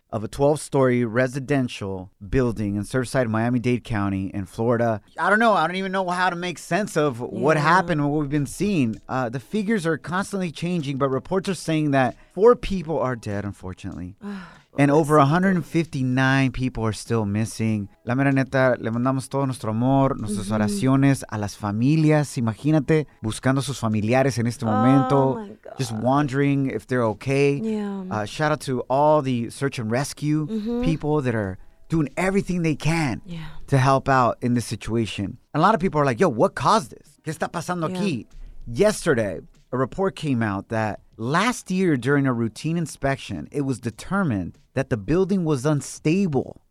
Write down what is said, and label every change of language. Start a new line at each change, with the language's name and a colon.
English: of a 12-story residential building in Surfside, Miami-Dade County in Florida. I don't know. I don't even know how to make sense of what happened and what we've been seeing. The figures are constantly changing, but reports are saying that 4 people are dead, unfortunately. And over 159 people are still missing.
Spanish: La mera neta, le mandamos todo nuestro amor, nuestras oraciones a las familias. Imagínate, buscando a sus familiares en este momento.
English: Oh my God. Just wondering if they're okay. Yeah. Shout out to all the search and rescue people that are doing everything they can to help out in this situation. And a lot of people are like, yo, what caused this?
Spanish: ¿Qué está pasando aquí?
English: Yesterday, a report came out that last year, during a routine inspection, it was determined that the building was unstable.